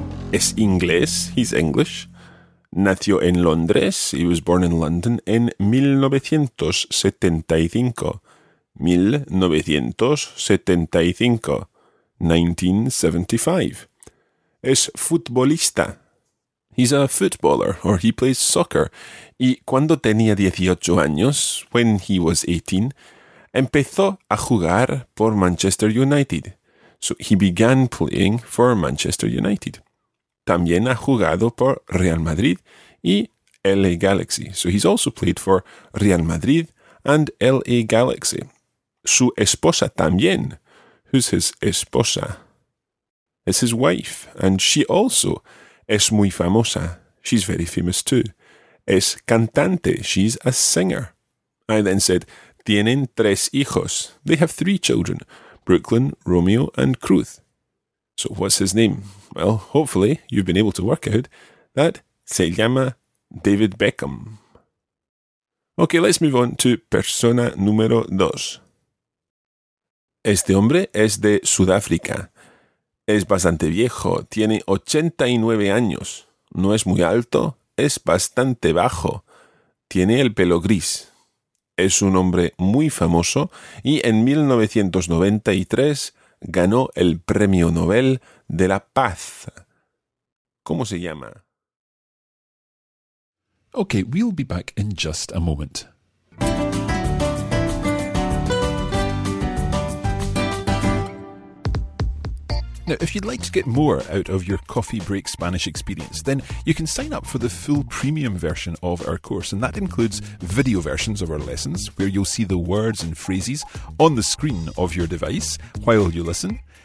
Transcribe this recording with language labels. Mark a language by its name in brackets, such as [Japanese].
[Spanish] Es inglés, [English] he's English. [Spanish] Nació en Londres, [English] he was born in London, [Spanish] en 1975. 1975. 1975. Es futbolista. [English] He's a footballer, or he plays soccer. [Spanish] Y cuando tenía 18 años, [English] when he was 18, [Spanish] empezó a jugar por Manchester United. [English] So he began playing for Manchester United. [Spanish] También ha jugado por Real Madrid y LA Galaxy. [English] So he's also played for Real Madrid and LA Galaxy. [Spanish] Su esposa también. [English] Who's his esposa? It's his wife. And she also [Spanish] es muy famosa. [English] She's very famous too. [Spanish] Es cantante. [English] She's a singer. I then said, [Spanish] tienen tres hijos. [English] They have three children. Brooklyn, Romeo, and Cruz. So what's his name? Well, hopefully you've been able to work out that [Spanish] se llama David Beckham. [English] Okay, let's move on to [Spanish] persona número dos. Este hombre es de Sudáfrica. Es bastante viejo, tiene 89 años. No es muy alto, es bastante bajo. Tiene el pelo gris. Es un hombre muy famoso y en 1993 ganó el Premio Nobel de la Paz. ¿Cómo se llama? [English] Okay, we'll be back in just a moment. Now, if you'd like to get more out of your Coffee Break Spanish experience, then you can sign up for the full premium version of our course, and that includes video versions of our lessons, where you'll see the words and phrases on the screen of your device while you listen.